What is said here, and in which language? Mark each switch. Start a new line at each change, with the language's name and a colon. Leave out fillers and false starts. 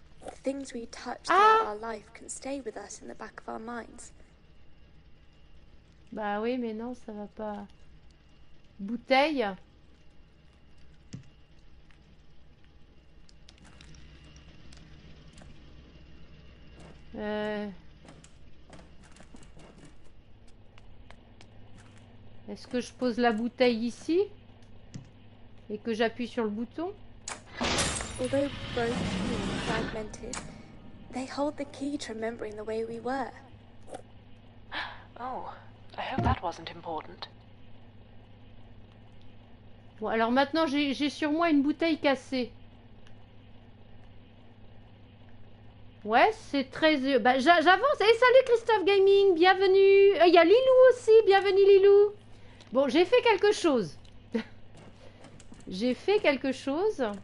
English: The things we touch throughout our life can stay with us in the back of our minds.
French: Bah oui, mais non, ça va pas. Bouteille. Est-ce que je pose la bouteille ici et que j'appuie sur le bouton?
English: Although broken and fragmented, they hold the key to remembering the way we were. Oh, I hope that wasn't important.
French: Bon, alors maintenant j'ai sur moi une bouteille cassée. Ouais, c'est très. Bah, j'avance. Hey, salut Christophe Gaming, bienvenue. Il y a Lilou aussi, bienvenue Lilou. Bon, j'ai fait quelque chose. J'ai fait quelque chose.